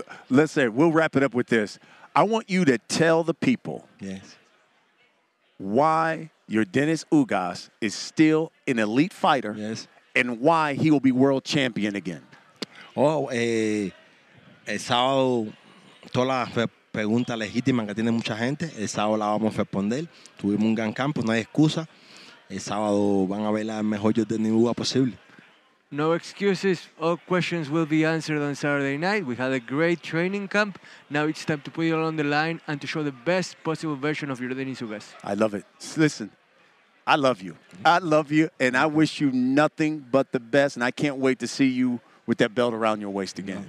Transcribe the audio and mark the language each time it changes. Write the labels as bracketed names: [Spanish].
[English] Let's say, we'll wrap it up with this. I want you to tell the people why Yordenis Ugas is still an elite fighter and why he will be world champion again. [Spanish] Oh, el sábado, todas las preguntas legítimas que tiene mucha gente, el sábado la vamos a responder. Tuvimos un gran campo, no hay excusa. El sábado van a ver la mejor Yordenis Ugas posible. [English] No excuses. All questions will be answered on Saturday night. We had a great training camp. Now it's time to put it all on the line and to show the best possible version of Yordenis Ugas. I love it. Listen, I love you. I love you, and I wish you nothing but the best, and I can't wait to see you with that belt around your waist again.